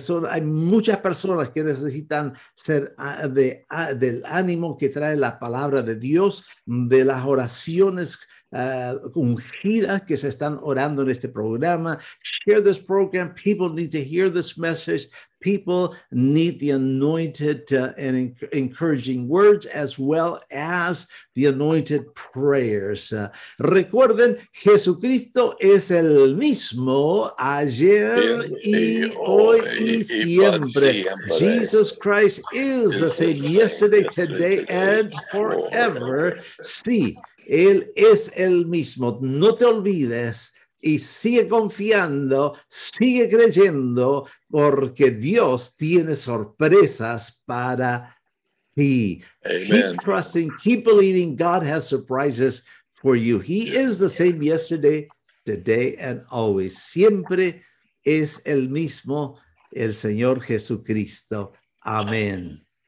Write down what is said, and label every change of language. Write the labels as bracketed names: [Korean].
[Spanish] Hay muchas personas que necesitan ser del ánimo que trae la palabra de Dios, de las oraciones ungidas que se están orando en este programa. [English] Share this program. People need to hear this message. People need the anointed and encouraging words as well as the anointed prayers. [Spanish] Recuerden, Jesucristo es el mismo ayer y hoy y siempre. [English] Jesus Christ is the same yesterday, today, and forever. [Spanish] Sí. Él es el mismo. No te olvides y sigue confiando, sigue creyendo, porque Dios tiene sorpresas para ti. [English] Amen. Keep trusting, keep believing. God has surprises for you. He is the same yesterday, today, and always. [Spanish] Siempre es el mismo el Señor Jesucristo. Amén. Amen.